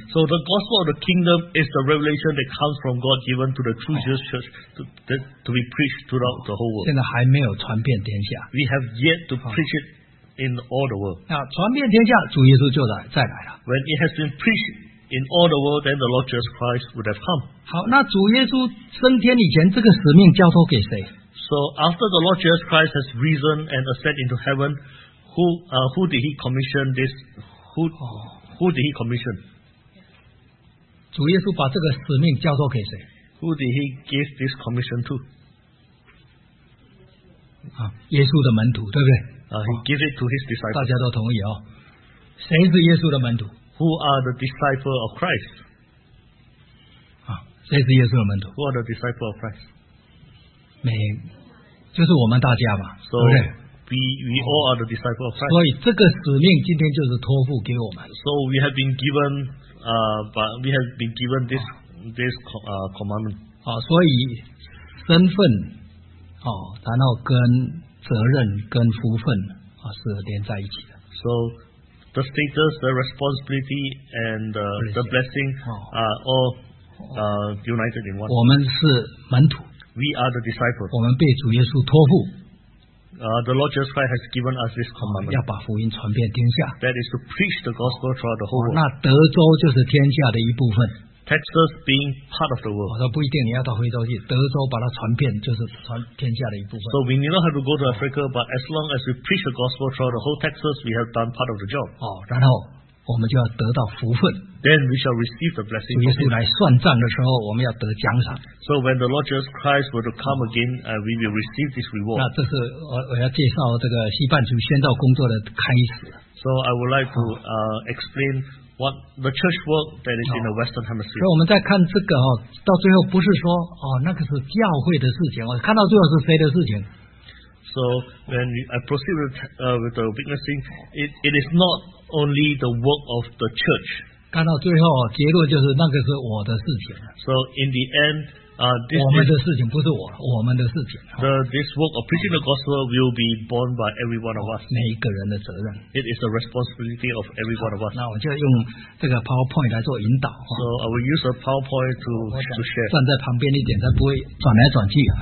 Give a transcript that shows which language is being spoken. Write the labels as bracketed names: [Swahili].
[English] So the gospel of the kingdom is the revelation that comes from God given to the true Jesus church to be preached throughout the whole world. [Chinese] 现在还没有传遍天下. [English] We have yet to preach it in all the world. [Chinese] 传遍天下主耶稣就再来了. [English] When it has been preached in all the world, then the Lord Jesus Christ would have come. [Chinese] 好，那主耶稣升天以前，这个使命交托给谁？ [English] So after the Lord Jesus Christ has risen and ascended into heaven, who did he commission this? Who did he commission? [Chinese] 主耶稣把这个使命交托给谁？ [English] Who did he give this commission to? [Chinese] 耶稣的门徒，对不对？ [English] He gave it to his disciples. [Chinese] 大家都同意哦。谁是耶稣的门徒？ [English] Who are the disciples of Christ? [Chinese] 谁是耶稣的门徒？ [English] Who are the disciples of Christ? [Chinese] 就是我们大家嘛， [English] so, [Chinese] 对不对？ [English] We all are the disciples of Christ. [Chinese] 所以这个使命今天就是托付给我们。 [English] So we have been given, but we have been given this, commandment. [Chinese] 所以身份，然后跟责任跟福分是连在一起的。 [English] So the status, the responsibility, and the blessing are all united in one. [Chinese] 我们是门徒。 [English] We are the disciples. [Chinese] 我们被主耶稣托付。 [English] The Lord Jesus Christ has given us this commandment. [Chinese] 要把福音传遍天下。 [English] That is to preach the gospel throughout the whole world. [Chinese] 那德州就是天下的一部分。 [English] Texas being part of the world. [Chinese] 我说不一定，你要到非洲去，德州把它传遍就是传天下的一部分。 [English] So we do not have to go to Africa, but as long as we preach the gospel throughout the whole Texas, we have done part of the job. [Chinese] 然后我们就要得到福分。 [English] Then we shall receive the blessing. [Chinese] 主耶稣来算账的时候，我们要得奖赏。 [English] So when the Lord Jesus Christ were to come again, we will receive this reward. [Chinese] 那这是我要介绍这个西半球宣道工作的开始。 [English] So I would like to explain what the church work that is in the Western Hemisphere. [Chinese] 所以我们再看这个，到最后不是说那个是教会的事情，看到最后是谁的事情。 [English] So when I proceed with the witnessing, it is not only the work of the church. [Chinese] 看到最后结论就是那个是我的事情。 [English] So in the end, this [Chinese] 我们的事情不是我们的事情。 [English] This work of preaching the gospel will be borne by every one of us. [Chinese] 每一个人的责任。 [English] It is the responsibility of every one of us. [Chinese] 那我就用这个 PowerPoint 来做引导。 [English] So I will use a PowerPoint to share. [Chinese] 站在旁边一点，才不会转来转去。